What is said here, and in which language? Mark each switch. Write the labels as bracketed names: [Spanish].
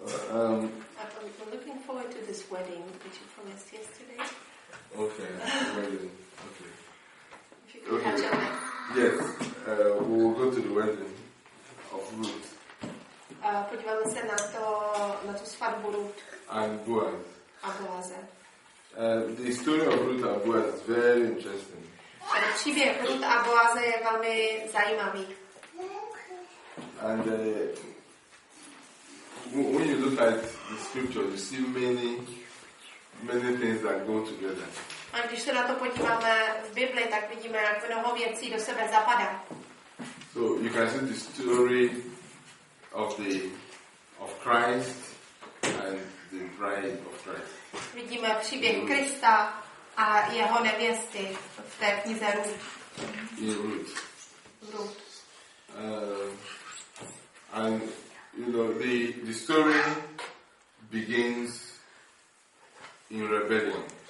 [English] I'm looking forward to this wedding which you promised yesterday. Okay, wedding. Okay. If you could catch up. Yes, we will go to the wedding of Ruth. [Czech] Podíváme se na tu svatbu Ruth. [English] And Boaz. [Czech] A Boaze. [English] The story of Ruth and Boaz is very interesting. [Czech] Příběh Ruth a Boaze je velmi zajímavý. [English] And when you look at the scripture, you see many things that go together. [Czech] A když se na to podíváme v Bibli, tak vidíme, jak mnoho věcí do sebe zapadá. [English] So you can see the story of Christ and the bride of Christ. [Czech] Vidíme příběh Krista a jeho nevěsty v té knize [English] Ruth. In Ruth. And you know the story begins in rebellion.